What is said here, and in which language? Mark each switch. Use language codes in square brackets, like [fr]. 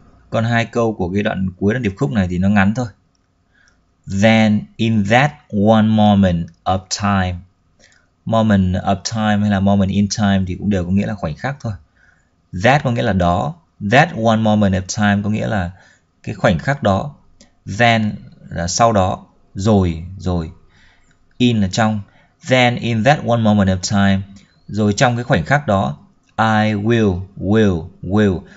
[vi] Còn hai câu của cái đoạn cuối đoạn điệp khúc này thì nó ngắn thôi. [en] Then in that one moment of time. Moment of time [vi] hay là [en] moment in time [vi] thì cũng đều có nghĩa là khoảnh khắc thôi. That có nghĩa là đó. [en] That one moment of time [vi] có nghĩa là cái khoảnh khắc đó. Then là sau đó. Rồi, rồi. In là trong. [en] Then in that one moment of time, [vi] rồi trong cái khoảnh khắc đó, [en] I will.